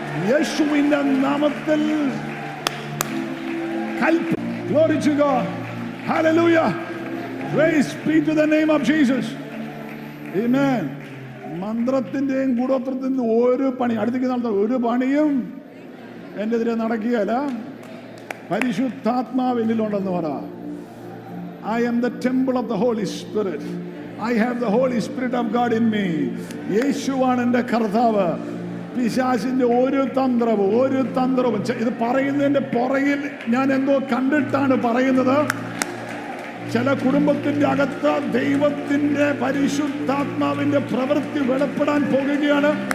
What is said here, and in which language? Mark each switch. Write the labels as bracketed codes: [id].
[ml] യേശുവിന്റെ നാമത്തിൽ [en] Glorify God. [ml] Hallelujah. [en] Praise be to the name of Jesus. ആമേൻ. [ml] മന്ത്രത്തിന്റെയും ഗൂഢോത്രത്തിന്റെ ഒരു പണി, അടുത്തേക്ക് നടത്ത, ഒരു പണിയും എന്റെ എതിരെ നടക്കുകയല്ല. പരിശുദ്ധാത്മാവ് എന്നിലുണ്ടെന്ന് പറ. [en] I am the temple of the Holy Spirit. I have the Holy Spirit of God in me. [ml] യേശു ആണ് എന്റെ കർത്താവ്. പിശാചിന്റെ ഒരു തന്ത്രവും, ഒരു തന്ത്രവും, ഇത് പറയുന്നതിന്റെ പുറകിൽ ഞാൻ എന്തോ കണ്ടിട്ടാണ് പറയുന്നത്. ചില കുടുംബത്തിന്റെ അകത്ത് ദൈവത്തിന്റെ പരിശുദ്ധാത്മാവിന്റെ പ്രവൃത്തി വെളിപ്പെടാൻ പോകുകയാണ്.